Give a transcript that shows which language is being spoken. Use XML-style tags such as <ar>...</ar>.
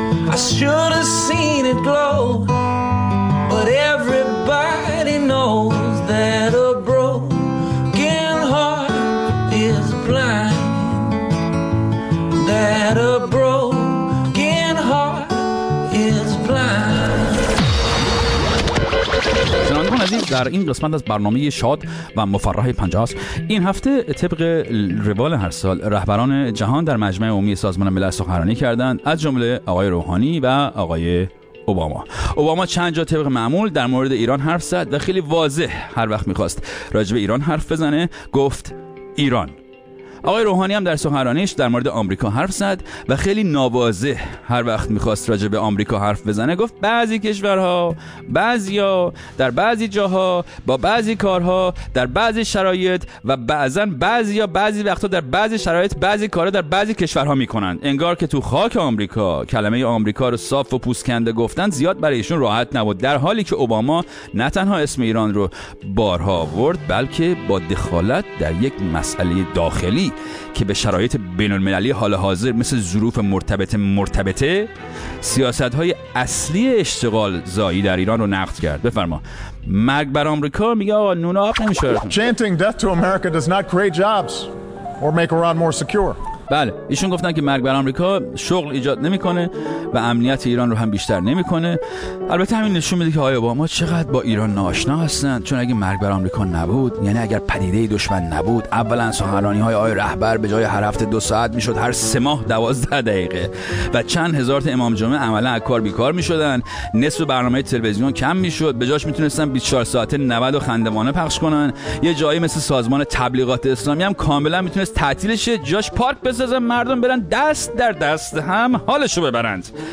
<en>I should have seen it glow but everybody knows that a broken heart is blind that a broken heart is blind</en> <fa>در این قسمت از برنامه شاد و مفرح 50 است. این هفته طبق روال هر سال رهبران جهان در مجمع عمومی سازمان ملل سخنرانی کردند، از جمله آقای روحانی و آقای اوباما. اوباما چند جا طبق معمول در مورد ایران حرف زد و خیلی واضح هر وقت می‌خواست راجع به ایران حرف بزنه گفت ایران. آقای روحانی هم در سخنرانیش در مورد آمریکا حرف زد و خیلی نوازه هر وقت می‌خواست راجع به آمریکا حرف بزنه گفت بعضی کشورها، بعضیا در بعضی جاها با بعضی کارها در بعضی شرایط و بعضن بعضیا بعضی وقتا در بعضی شرایط بعضی کارها در بعضی کشورها می‌کنند. انگار که تو خاک آمریکا کلمه آمریکا رو صاف و پوسکنده گفتن زیاد برایشون راحت نبود، در حالی که اوباما نه تنها اسم ایران رو بارها آورد بلکه با دخالت در یک مسئله داخلی که به شرایط بین المللی حال حاضر مثل ظروف مرتبطه سیاست‌های اصلی اشتغال زایی در ایران رو نقد کرد. بفرما مرگ بر آمریکا میگه آقا نون آخ نمیشه.</fa> <en>Chanting death to America does not create jobs or make Iran more secure.</en> <fa>بله، ایشون گفتن که مرگ بر آمریکا شغل ایجاد نمی‌کنه و امنیت ایران رو هم بیشتر نمی‌کنه. البته همین نشون میده که آقای اوباما چقدر با ایران ناآشنا هستن، چون اگه مرگ بر آمریکا نبود، یعنی اگر پدیده دشمن نبود، اولا سخنرانی‌های آقای رهبر به جای هر هفته 2 ساعت می‌شد هر 3 ماه 12 دقیقه و چند هزار تا امام جمعه عملاً از کار بیکار می‌شدن، نصف برنامه تلویزیون کم می‌شد، به جاش می‌تونستن 24 ساعته 90 و خندوانه پخش کنن، یه جایی مثل سازمان تبلیغات اسلامی هم کاملاً می‌تونست تعطیل شه، جاش پارک بسازن، مردم برن دست در دست هم حالشو ببرند.</fa>